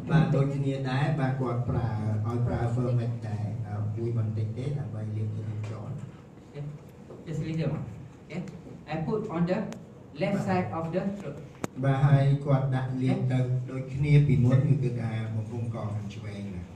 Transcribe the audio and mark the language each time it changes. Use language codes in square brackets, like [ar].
[km] បាទដូចគ្នាដែរបាទគាត់ប្រើ ferment ដែរមួយបន្តិចទេដើម្បីលាបទៅ John. [en] Okay. Just a little amount. Okay. I put on the left side of the throat. [km] បាទហើយគាត់ដាក់លៀងទៅដូចគ្នាពីមុនគឺគឺថាបំពង់កខាងឆ្វេងណា